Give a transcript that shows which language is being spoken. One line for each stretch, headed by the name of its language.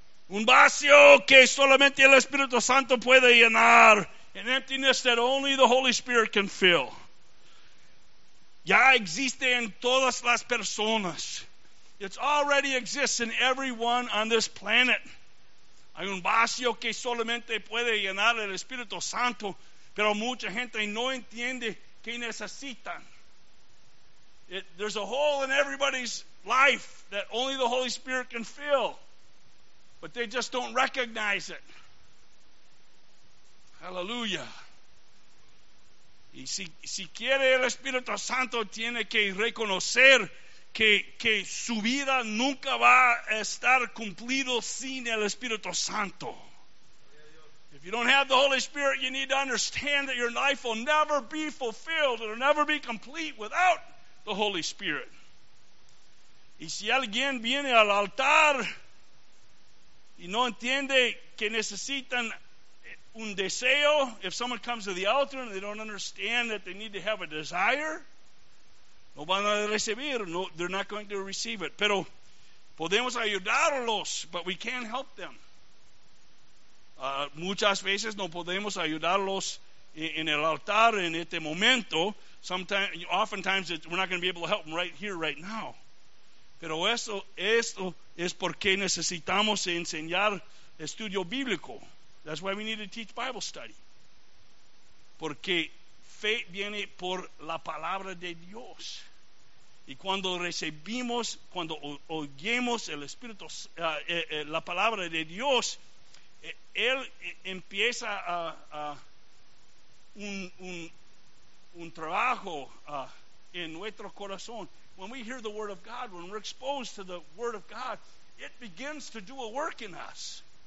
Spanish: Un vacío que solamente el Espíritu Santo puede llenar.
English: An emptiness that only the Holy Spirit can fill.
Spanish: Ya existe en todas las personas.
English: It already exists in everyone on this planet.
Spanish: Hay un vacío que solamente puede llenar el Espíritu Santo. Pero mucha gente no entiende que necesitan.
English: There's a hole in everybody's life that only the Holy Spirit can fill. But they just don't recognize it. Hallelujah.
Spanish: Y si quiere el Espíritu Santo, tiene que reconocer que su vida nunca va a estar cumplido sin el Espíritu Santo.
English: If you don't have the Holy Spirit, you need to understand that your life will never be fulfilled. It'll never be complete without the Holy Spirit.
Spanish: Y si alguien viene al altar y no entiende que necesitan un deseo,
English: if someone comes to the altar and they don't understand that they need to have a desire,
Spanish: no van a recibir, no,
English: they're not going to receive it. Pero
Spanish: Podemos ayudarlos,
English: but we can't help them.
Spanish: Muchas veces no podemos ayudarlos en el altar en este momento.
English: Oftentimes we're not going to be able to help them right here, right now.
Spanish: Pero esto es porque necesitamos enseñar estudio bíblico.
English: That's why we need to teach Bible study.
Spanish: Porque fe viene por la palabra de Dios. Y cuando recibimos, cuando oyemos el Espíritu, la palabra de Dios, Él empieza un trabajo en nuestro corazón.
English: When we hear the Word of God, when we're exposed to the Word of God, it begins to do a work in us.